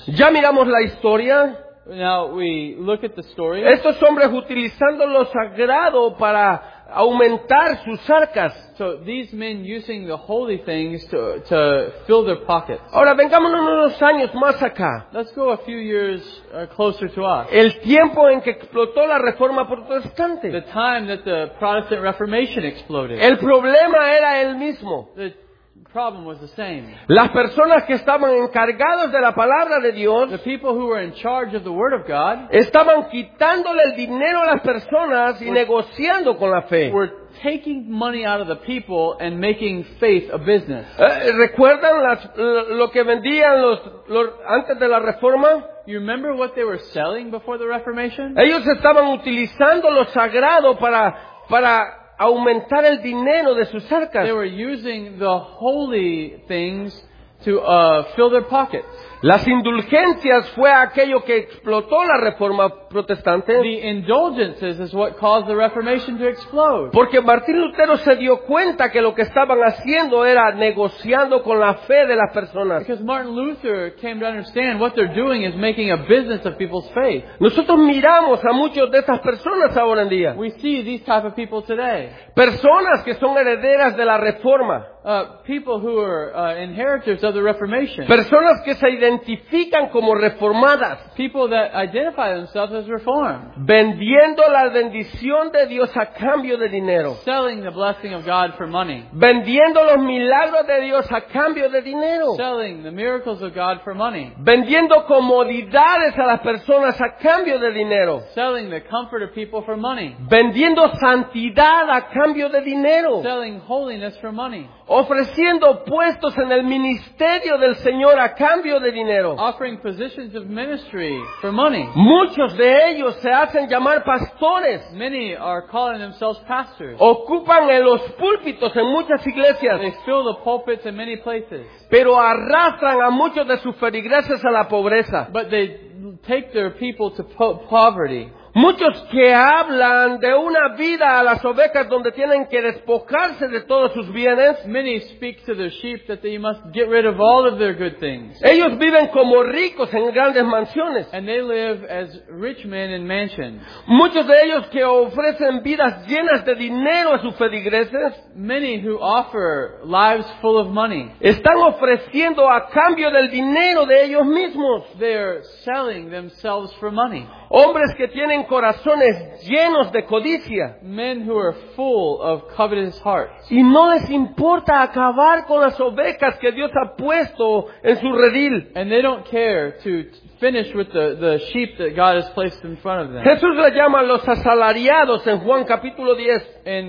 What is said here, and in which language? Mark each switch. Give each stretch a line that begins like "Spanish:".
Spanish: Ya miramos la historia.
English: Now we look at the story.
Spanish: Estos hombres utilizando lo sagrado para aumentar sus arcas.
English: So these men using the holy things to fill their pockets.
Spanish: Ahora vengámonos unos años más acá.
English: Let's go a few years closer to us.
Spanish: El tiempo en que explotó la Reforma Protestante.
English: The time that the Protestant Reformation exploded.
Spanish: El problema era el mismo.
English: Problem was the same.
Spanish: Las personas que estaban encargados de la palabra de Dios,
English: the people who were in charge of the word of God,
Spanish: estaban quitándole el dinero a las personas y negociando con la fe.
English: Were taking money out of the people and making faith a business.
Spanish: ¿Recuerdan lo que vendían los antes de la Reforma?
English: You remember what they were selling before the Reformation?
Spanish: Ellos estaban utilizando lo sagrado para aumentar el dinero de sus arcas.
English: They were using the holy things to fill their pockets.
Spanish: Las indulgencias fue aquello que explotó la Reforma Protestante.
English: The indulgences is what caused the Reformation to explode.
Spanish: Porque Martín Lutero se dio cuenta que lo que estaban haciendo era negociando con la fe de las personas.
English: Because Martin Luther came to understand what they're doing is making a business of people's faith.
Spanish: Nosotros miramos a muchos de estas personas ahora en día.
English: We see these type of people today.
Spanish: Personas que son herederas de la Reforma.
English: People who are inheritors of the Reformation.
Spanish: Personas que se identifican como reformadas.
English: People that identify themselves as reformed.
Spanish: Vendiendo la bendición de Dios a cambio de dinero.
English: Selling the blessing of God for money.
Spanish: Vendiendo los milagros de Dios a cambio de dinero.
English: Selling the miracles of God for money.
Spanish: Vendiendo comodidades a las personas a cambio de dinero.
English: Selling the comfort of people for money.
Spanish: Vendiendo santidad a cambio de dinero.
English: Selling holiness for money.
Spanish: Ofreciendo puestos en el ministerio del Señor a cambio de dinero.
English: Offering positions of ministry for money.
Spanish: Muchos de ellos se hacen llamar pastores.
English: Many are calling themselves pastors.
Spanish: Ocupan en los púlpitos en muchas iglesias.
English: They fill the pulpits in many places.
Spanish: Pero arrastran a muchos de sus feligreses a la pobreza.
English: But they take their people to poverty.
Spanish: Muchos que hablan de una vida a las ovejas donde tienen que despojarse de todos sus bienes.
English: Many speak to their sheep that they must get rid of all of their good things.
Spanish: Ellos viven como ricos en grandes mansiones.
English: And they live as rich men in mansions.
Spanish: Muchos de ellos que ofrecen vidas llenas de dinero a sus feligreses.
English: Many who offer lives full of money.
Spanish: Están ofreciendo a cambio del dinero de ellos mismos.
English: They are selling themselves for money.
Spanish: Hombres que tienen corazones llenos de codicia.
English: Men who are full of covetous hearts.
Spanish: Y no les importa acabar con las ovejas que Dios ha puesto en su redil.
English: And they don't care to finish with the sheep that God has placed in front of them.
Spanish: Jesús le llama a los asalariados en Juan capítulo 10.